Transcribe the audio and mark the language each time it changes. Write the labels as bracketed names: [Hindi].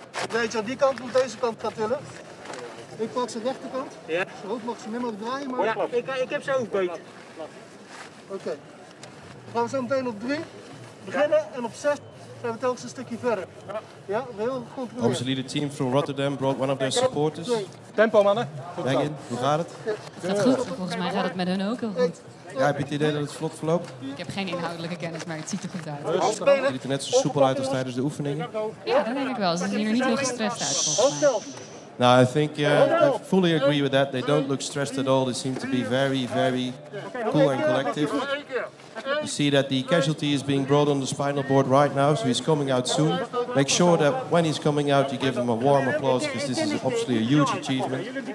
[Dutch] Weet je, aan die kant moet deze kant gaan tillen. Ik pak zijn rechterkant. Ja. Zijn hoofd mag ze minder draaien, maar... Ja, ik heb zijn hoofdbeet. Oké. Okay. Gaan we zo meteen op 3 beginnen en op 6 zijn we telkens een stukje verder. Ja, heel goed. [English] Obviously the team from Rotterdam brought one of their supporters. [Dutch] Tempo, mannen. Bang in, hoe gaat het? Het gaat goed. Volgens mij gaat het met hun ook heel goed. Ja, heb je het idee dat het vlot verloopt? Ik heb geen inhoudelijke kennis, maar het ziet er goed uit. Je ziet er net zo soepel uit als tijdens de oefeningen. Ja, dat denk ik wel. Ze zien er niet heel gestrest uit, volgens mij. Nou, [English] I think I fully agree with that. They don't look stressed at all. They seem to be very, very cool and collective. You see that the casualty is being brought on the spinal board right now, so he's coming out soon. Make sure that when he's coming out, you give him a warm applause, because this is obviously a huge achievement.